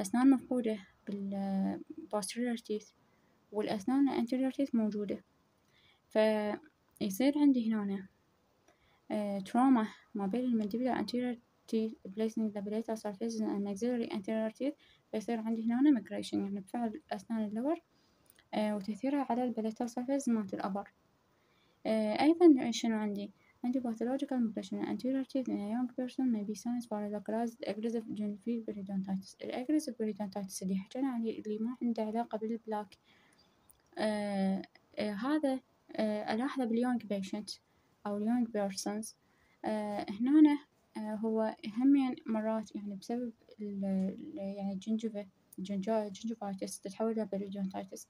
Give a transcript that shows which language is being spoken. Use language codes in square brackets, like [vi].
[ar] مفقودة بال posterior teeth والأسنان anterior teeth موجودة، فيصير عندي هنا trauma ما بين المندبلة anterior teeth [en] placing the palatal surface and maxillary anterior teeth، [ar] فيصير عندي هنا migration، يعني بفعل الأسنان اللور وتأثيرها على palatal surface مالت الأبر. أيضا شنو عندي؟ عندي [en] pathological migration anterior teeth in a young person may be signs for localized aggressive gingival periodontitis. [ar] الaggressive periodontitis اللي حكينا عليه اللي ما عنده علاقة بالبلاك، هذا ألاحظه باليونج patient أو young persons. هنا هو أهمياً مرات يعني بسبب يعني الجنجيفيتس تتحول إلى periodontitis.